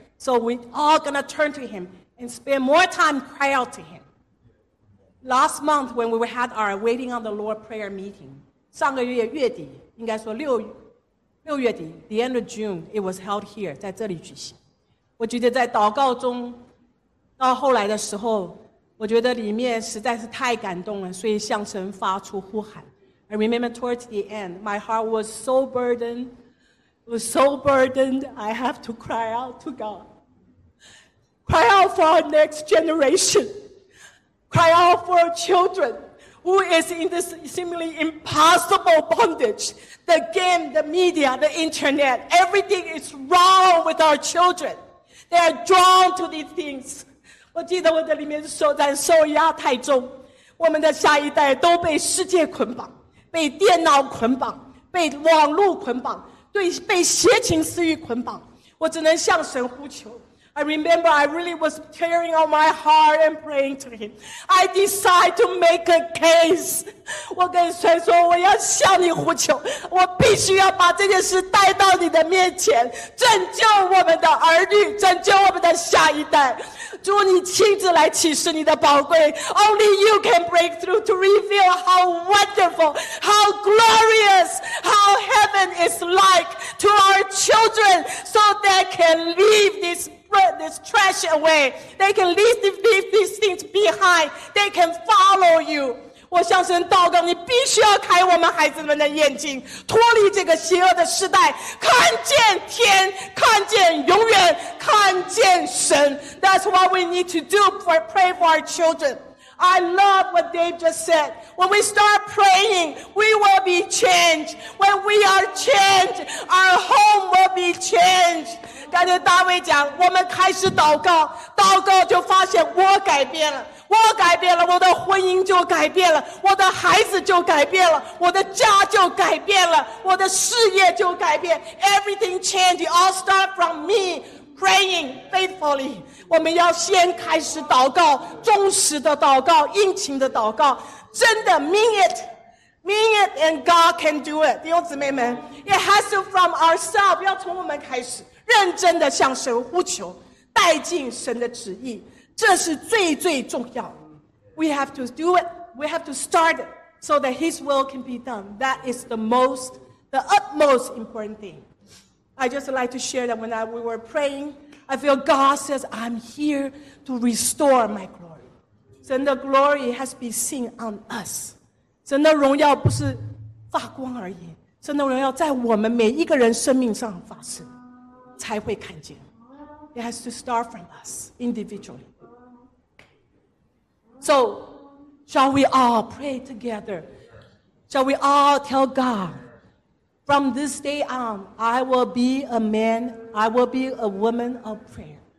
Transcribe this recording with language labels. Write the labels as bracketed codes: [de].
[en] So we're all going to turn to him and spend more time cry out to him. Last month when we had our waiting on the Lord prayer meeting, [zh] 上个月月底应该说六月底 [en] the end of June, it was held here, [zh] 在这里举行。我觉得在祷告中到后来的时候，我觉得里面实在是太感动了，所以向神发出呼喊。 [en] I remember towards the end, my heart was so burdened, I have to cry out to God. Cry out for our next generation. Cry out for our children. Who is in this seemingly impossible bondage? The game, the media, the internet, everything is wrong with our children. They are drawn to these things. [zh] 我记得我的里面说，咱受压太重，我们的下一代都被世界捆绑，被电脑捆绑，被网络捆绑，对，被邪情私欲捆绑。我只能向神呼求。 [en] I remember I really was tearing out my heart and praying to him. I decide to make a case. [zh] 我跟神说我要向你呼求，我必须要把这件事带到你的面前，拯救我们的儿女，拯救我们的下一代。主，你亲自来启示你的宝贵。 [en] Only you can break through to reveal how wonderful, how glorious, how heaven is like to our children so they can leave this trash away. They can leave these things behind. They can follow you. [zh] 我向神祷告，你必须要开我们孩子们的眼睛，脱离这个邪恶的时代，看见天，看见永远，看见神。 [en] That's what we need to do for pray for our children. I love what Dave just said. When we start praying, we will be changed. When we are changed, our home will be changed. [zh] 刚才大卫讲，我们开始祷告，祷告就发现我改变了，我改变了，我的婚姻就改变了，我的孩子就改变了，我的家就改变了，我的事业就改变。 [en] Everything changed. All start from me. Praying faithfully, [zh] 我们要先开始祷告，忠实的祷告，殷勤的祷告，真的 [en] mean it, and God can do it. [zh] 弟兄姊妹们 [en] ，it has to from ourselves. [zh] 要从我们开始，认真的向神呼求，带进神的旨意，这是最最重要。 [en] We have to do it. We have to start it so that His will can be done. That is the utmost important thing. I just like to share that when we were praying, I feel God says, I'm here to restore my glory. [zh] 神的 [en] glory has been seen on us. [zh] 神的荣耀不是发光而已，神的荣耀在我们每一个人生命上发生，才会看见。 [en] It has to start from us individually. So, shall we all pray together? Shall we all tell God,From this day on, I will be a man, I will be a woman of prayer.